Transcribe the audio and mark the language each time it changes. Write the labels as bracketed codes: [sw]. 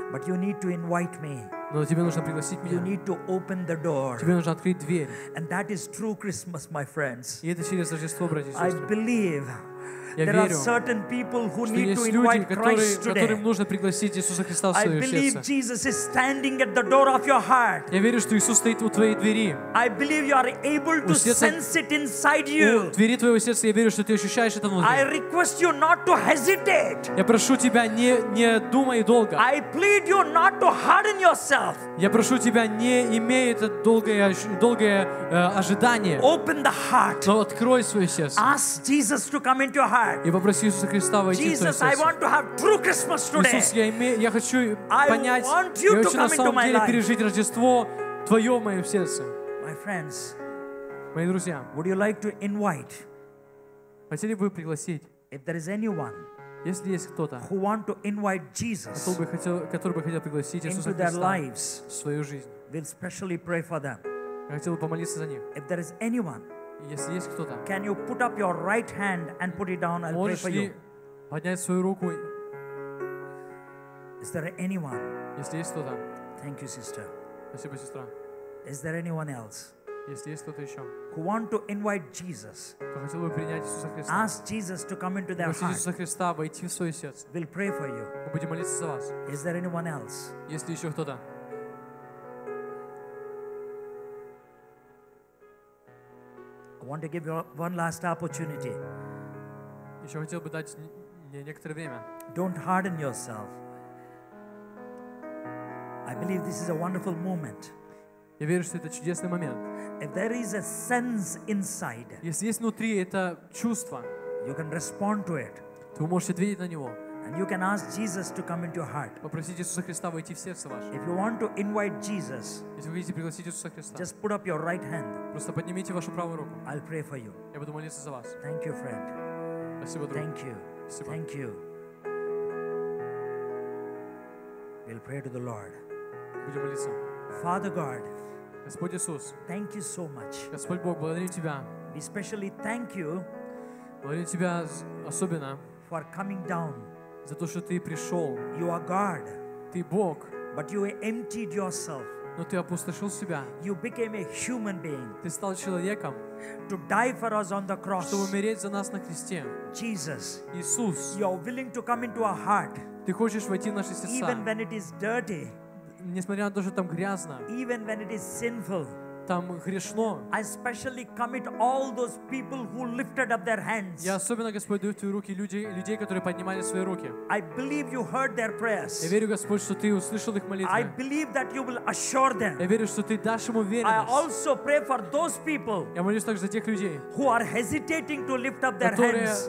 [en] But you need to invite me. [ru] Но тебе нужно пригласить меня. [en] You need to open the door. [ru] Тебе нужно открыть дверь. [en] And that is true Christmas, my friends. [ru] И это через Рождество, братья и сестры. [en] I believe. [ru] Я [en] there [ru] верю, [en] are certain people who need [ru] есть [en] to [ru] люди, [en] invite [ru] которые, [en] Christ today. [ru] Которым нужно пригласить Иисуса Христа в свое сердце. [en] I believe Jesus is standing at the door of your heart. [ru] Я верю, что Иисус стоит у твоей двери. [en] I believe you are able to sense it inside you. [ru] У двери твоего сердца я верю, что ты ощущаешь это внутри. [en] I request you not to hesitate. [ru] Я прошу тебя не думай долго. [en] I plead you not to harden yourself. [ru] Я прошу тебя не имей это долгое ожидание. [en] Open the heart. [ru] Но открой свое сердце. [en] Ask Jesus to come into your heart. [ru] И попроси Иисуса Христа войти в твое сердце. [en] I want to have true Christmas today. [ru] Иисус, я хочу понять, я хочу на самом деле пережить Рождество Твое в моем сердце. [en] My friends, [ru] мои друзья, [en] would you like to invite, [ru] хотели бы пригласить, [en] if there is anyone, [ru] если есть кто-то, [en] who want to invite Jesus, [ru] который бы хотел пригласить Иисуса [en] into their [ru] Христа [en] lives, [ru] в свою жизнь, [en] we'll specially pray for them. [ru] Я хотел бы помолиться за них. [en] If there is anyone, [ru] если есть кто-то, [en] can you put up your right hand and put it down? I'll [ru] можешь [en] pray for [ru] ли [en] you. [ru] Поднять свою руку? [en] Is there anyone? [ru] Если есть кто-то, [en] thank you, sister. [ru] Спасибо, сестра. [en] Is there anyone else? [ru] Если есть кто-то еще, [en] who want to invite Jesus? [ru] Кто хотел бы принять Иисуса Христа? [en] Ask Jesus to come into their heart. [ru] Просите Иисуса Христа войти в свое сердце. [en] We'll pray for you. [ru] Мы будем молиться за вас. [en] Is there anyone else? [ru] Есть ли еще кто-то? [en] I want to give you one last opportunity. [ru] Еще хотел бы дать некоторое время. [en] Don't harden yourself. I believe this is a wonderful moment. [ru] Я верю, что это чудесный момент. [en] If there is a sense inside, [ru] если есть внутри это чувство, [en] you can respond to it. [ru] Ты можешь ответить на него. [en] And you can ask Jesus to come into your heart. [ru] Попросите Иисуса Христа войти в сердце ваше. [en] If you want to invite Jesus, [ru] если вы хотите пригласить Иисуса Христа, [en] just put up your right hand. [ru] Просто поднимите вашу правую руку. [en] I'll pray for you. [ru] Я буду молиться за вас. [en] Thank you, friend. [ru] Спасибо, друг. [en] Thank you. [ru] Спасибо. [en] Thank you. We'll pray to the Lord. [ru] Будем молиться. [en] Father God, [ru] Господь Иисус, [en] thank you so much. [ru] Господь Бог, благодарю тебя. [en] We especially thank you. [ru] Благодарю тебя особенно. [en] For coming down. [ru] За то, что ты пришел. [en] You are God, [ru] ты Бог. [en] But you emptied yourself. [ru] Но ты опустошил себя. [en] You became a human being, [ru] ты стал человеком. [en] To die for us on the cross, [ru] чтобы умереть за нас на кресте. [en] Jesus, [ru] Иисус, [en] you are willing to come into our heart, [ru] ты хочешь войти в наши сердца. [en] Even when it is dirty, [ru] несмотря на то, что там грязно. [en] Even when it is sinful, [ru] там грешно. [en] I especially commit all those people who lifted up their hands. [ru] Я особенно, Господь, даю в твои руки людей, которые поднимали свои руки. [en] I believe you heard their prayers. [ru] Я верю, Господь, что ты услышал их молитвы. [en] I believe that you will assure them. [ru] Я верю, что ты дашь им уверенность. [en] I also pray for those people. [ru] Я молюсь также за тех людей, [en] who are hesitating to lift up their hands.